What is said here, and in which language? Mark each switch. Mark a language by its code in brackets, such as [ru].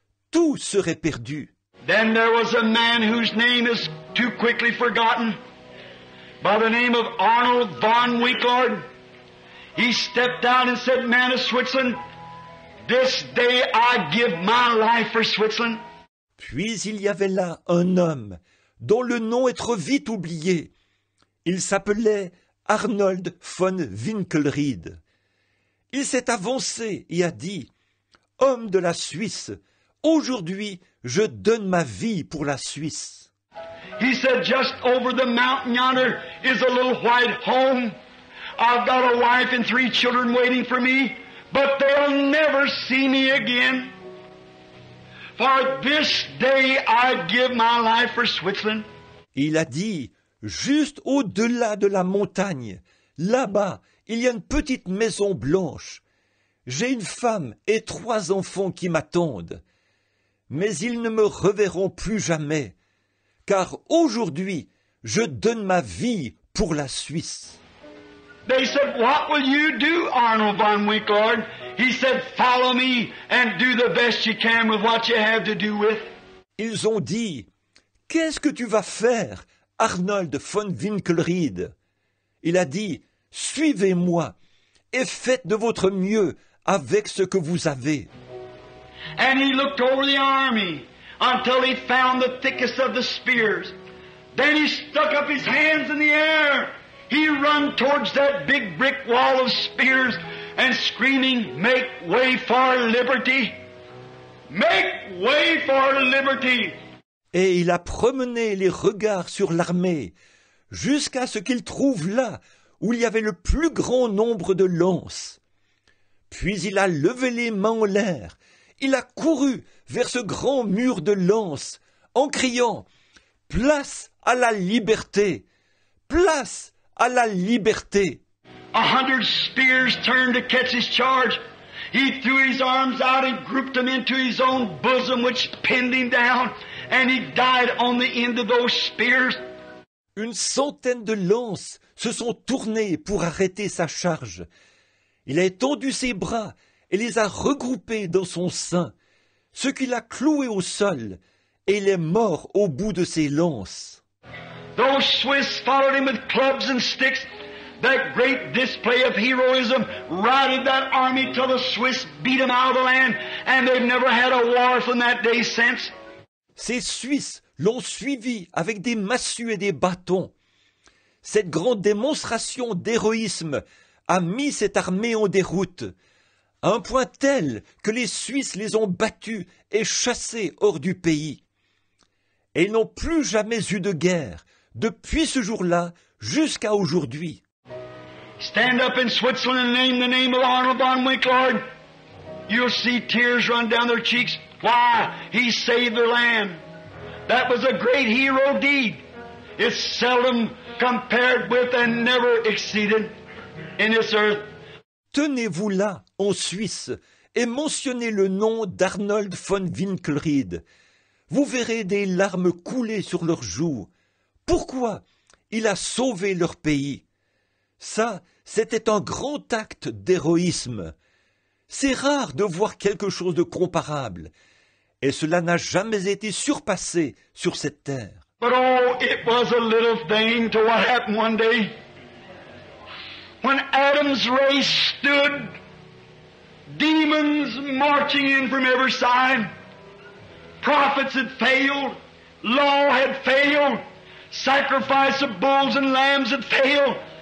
[fr] Tout serait perdu. [en] Then there was a man whose name is too quickly forgotten, by the name of Arnold von Winkler. He stepped out and said, "Man of Switzerland, this day I give my life for Switzerland." [fr] Puis il y avait là un homme dont le nom est trop vite oublié. Il s'appelait Arnold von Winkelried. Il s'est avancé et a dit, "Homme de la Suisse, aujourd'hui, je donne ma vie pour la Suisse." [en] He said, "Just over the mountain yonder is a little white home. I've got a wife and three children waiting for me, but they'll never see me again. For this day I give my life for Switzerland." [fr] Il a dit, "Juste au-delà de la montagne, là-bas, il y a une petite maison blanche. J'ai une femme et trois enfants qui m'attendent. Mais ils ne me reverront plus jamais, car aujourd'hui, je donne ma vie pour la Suisse." [en] They said, "What will you do, Arnold von Winkler?" He said, "Follow me and do the best you can with what you have to do with." [fr] Ils ont dit, "Qu'est-ce que tu vas faire, Arnold von Winkelried?" Il a dit, "Suivez-moi et faites de votre mieux avec ce que vous avez." [en] And he looked over the army until he found the thickest of the spears. Then he stuck up his hands in the air. He ran towards that big brick wall of spears and screaming, "Make way for liberty! Make way for liberty. [fr] Et il a promené les regards sur l'armée jusqu'à ce qu'il trouve là où il y avait le plus grand nombre de lances. Puis il a levé les mains en l'air. Il a couru vers ce grand mur de lances en criant « Place à la liberté ! Place à la liberté !» [en] 100 spears turned to catch his charge. He threw his arms out and grouped them into his own bosom, which pinned him down, and he died on the end of those spears. [fr] Une centaine de lances se sont tournées pour arrêter sa charge. Il a étendu ses bras et les a regroupés dans son sein, ce qui l'a cloué au sol, et il est mort au bout de ses lances. [en] Those Swiss followed him with clubs and sticks. That great display of heroism routed that army till the Swiss beat them out of the land, and they've never had a war from that day since. [fr] Ces Suisses l'ont suivi avec des massues et des bâtons. Cette grande démonstration d'héroïsme a mis cette armée en déroute, à un point tel que les Suisses les ont battus et chassés hors du pays. Et ils n'ont plus jamais eu de guerre, depuis ce jour-là jusqu'à aujourd'hui. [en] Stand up in Switzerland and name the name of Arnold von Winkelhorn. You'll see tears run down their cheeks. Why? He saved their land. That was a great hero deed. It's seldom compared with and never exceeded in this earth. [fr] Tenez-vous là, en Suisse, et mentionnez le nom d'Arnold von Winkelried. Vous verrez des larmes couler sur leurs joues. Pourquoi? Il a sauvé leur pays. Ça, c'était un grand acte d'héroïsme. C'est rare de voir quelque chose de comparable, et cela n'a jamais été surpassé sur cette terre. [en] But oh, it was a little thing to what happened one day when Adam's race stood, demons marching in from every side, prophets had failed, law had failed, sacrifice of bulls and lambs had failed.